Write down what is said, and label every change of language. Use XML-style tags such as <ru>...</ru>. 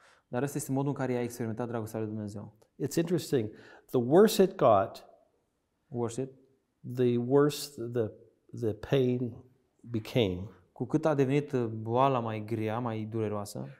<ro>Dar asta este modul în care ea a experimentat dragostea lui Dumnezeu.</ro> <en>It's interesting. The worse it got, the worse the pain became.</en> <ro>Cu cât a devenit boala mai grea, mai dureroasă,</ro>